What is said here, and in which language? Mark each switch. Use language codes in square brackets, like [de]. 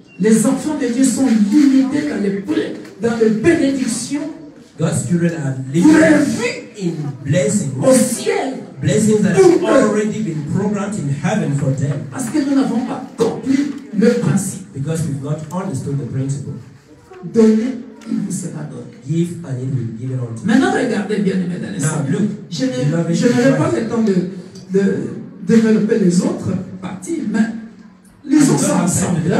[fr] Les enfants de Dieu sont limités dans les bénédictions. [en] God's children are limited in blessings. [fr] Au ciel. [en] Blessings that have already been programmed in heaven for them. [fr] Parce que nous n'avons pas compris le principe. [en] Because we've not understood the principle. [fr] Donnez, il vous sera donné. [en] Give and it will be given unto. [fr] Maintenant, regardez bien les médailles. [en] Now look. [fr] Je n'aurai pas le temps de développer les autres parties, mais lisons ça ensemble.